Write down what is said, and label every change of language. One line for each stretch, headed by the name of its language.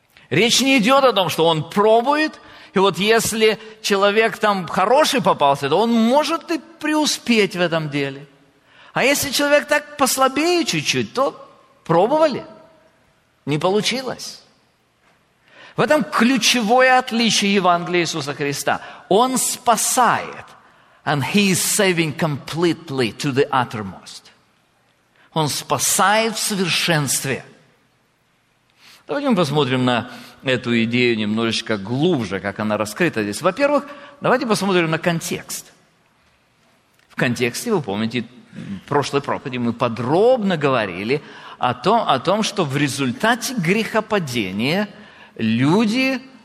Russian: Речь не идет о том, что Он пробует, и вот если человек там хороший попался, то он может и преуспеть в этом деле. А если человек так послабее чуть-чуть, то пробовали, не получилось. В этом ключевое отличие Евангелия Иисуса Христа. Он спасает.
English: And he is saving completely to the uttermost.
Russian: Он спасает в совершенстве. Давайте мы посмотрим на эту идею немножечко глубже, как она раскрыта здесь. Во-первых, давайте посмотрим на контекст. В контексте, вы помните, в прошлой проповеди мы подробно говорили о том, что в результате грехопадения люди